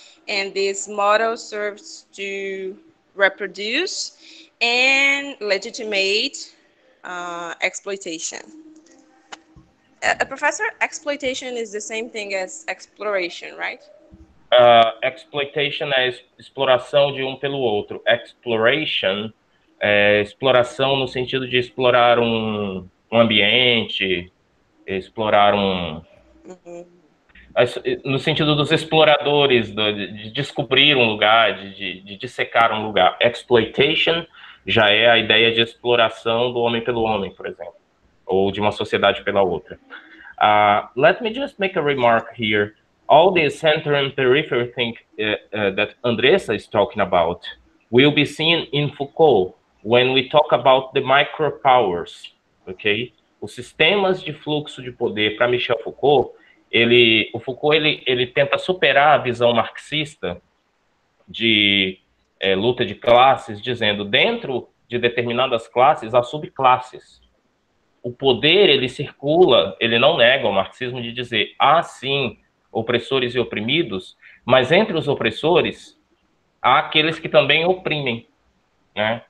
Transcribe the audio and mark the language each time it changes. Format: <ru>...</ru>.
<en>And this model serves to reproduce and legitimate exploitation. Professor, exploitation is the same thing as exploration, right?</en> <pt>Exploitation é exploração de um pelo outro. Exploration é exploração no sentido de explorar um ambiente, explorar um... No sentido dos exploradores, de descobrir um lugar, de dissecar um lugar. Exploitation já é a ideia de exploração do homem pelo homem, por exemplo. Or de uma sociedade pela outra.</pt> <en>Let me just make a remark here. All this center and periphery thing that Andressa is talking about will be seen in Foucault when we talk about the micropowers, okay?</en> <pt>Os sistemas de fluxo de poder para Michel Foucault, ele tenta superar a visão marxista de luta de classes, dizendo dentro de determinadas classes, há subclasses. O poder, ele circula, ele não nega o marxismo de dizer, há sim, opressores e oprimidos, mas entre os opressores, há aqueles que também oprimem, né?</pt>